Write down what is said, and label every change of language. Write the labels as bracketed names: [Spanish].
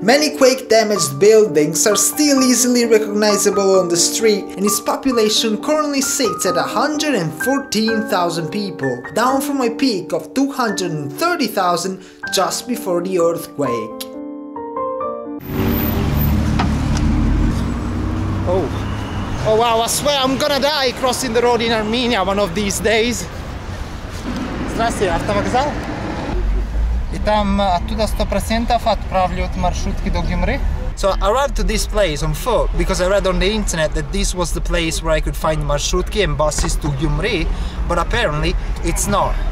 [English] Many quake-damaged buildings are still easily recognisable on the street, and its population currently sits at 114,000 people, down from a peak of 230,000 just before the earthquake. Oh wow, I swear I'm gonna die crossing the road in Armenia one of these days. [Russian] Здравствуйте, автовокзал. И там оттуда 100% отправляют маршрутки до Гюмри. [English] So I arrived to this place on foot because I read on the internet that this was the place where I could find маршрутки and buses to Гюмри, but apparently it's not.